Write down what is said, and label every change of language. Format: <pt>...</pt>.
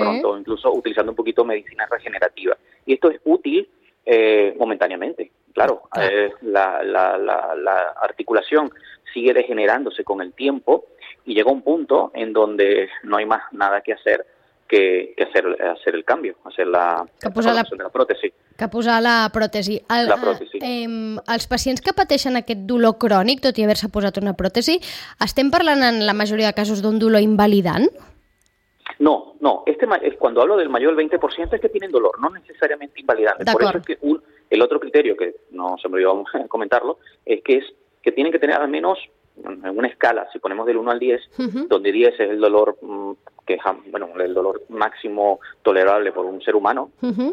<es>pronto incluso utilizando un poquito medicina regenerativa. Y esto es útil momentáneamente, claro. La articulación sigue degenerándose con el tiempo y llega un punto en donde no hay más nada que hacer que hacer el cambio, hacer la prótesis.</es> <ca>Que posar la pròtesi. Els pacients que pateixen aquest dolor crònic, tot i haver-se posat una pròtesi, estem parlant en la majoria de casos d'un dolor invalidant?</ca> <es>No. Cuando hablo del mayor del 20% es que tienen dolor, no necesariamente invalidante.</es> <ca>D'acord.</ca> <es>Por eso es que el otro criterio, que no se me olvidó comentarlo, es que es que tienen que tener al menos en una escala, si ponemos del 1 al 10, uh-huh. donde 10 es el dolor el dolor máximo tolerable por un ser humano, uh-huh.</es>